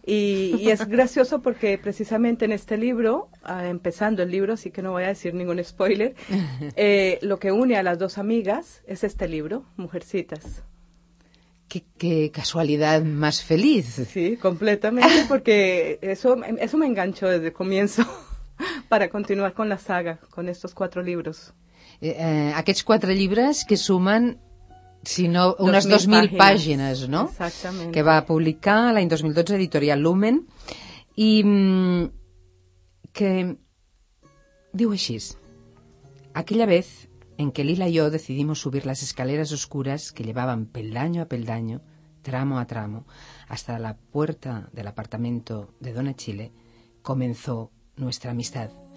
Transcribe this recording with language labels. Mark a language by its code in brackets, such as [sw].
[es] Y es gracioso porque precisamente en este libro, empezando el libro, así que no voy a decir ningún spoiler, lo que une a las dos amigas es este libro, Mujercitas. ¡Qué casualidad más feliz! Sí, completamente, porque eso me enganchó desde el comienzo para continuar con la saga, con estos cuatro libros. [ca] Aquests quatre llibres que sumen, si no, unes 2.000 pàgines, no? Exactament. Que va publicar l'any 2012 Editorial Lumen i que diu així: [es] aquella vez en que Lila y yo decidimos subir las escaleras oscuras que llevaban peldaño a peldaño, tramo a tramo, hasta la puerta del apartamento de Dona Chile, comenzó nuestra amistad.